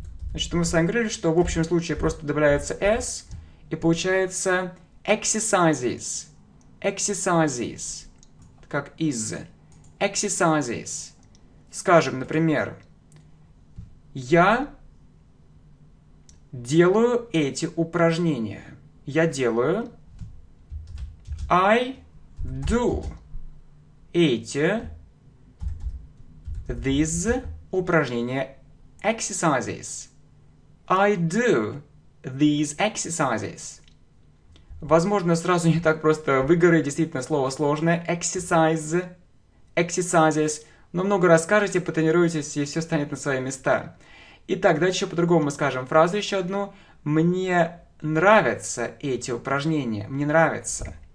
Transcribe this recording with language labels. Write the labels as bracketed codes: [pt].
[ru] Значит, мы с вами говорили, что в общем случае просто добавляется s, и получается exercises. [en] Exercises. Как is. Exercises. [ru] Скажем, например, я делаю эти упражнения. Я делаю. [en] I do эти these упражнения exercises. I do these exercises. [ru] Возможно, сразу не так просто выговорить, действительно, слово сложное. [en] Exercise. Exercises. [ru] Но много раз скажете, потренируетесь, и все станет на свои места. Итак, давайте еще по-другому мы скажем фразу еще одну. Мне нравятся эти упражнения. Мне нравятся.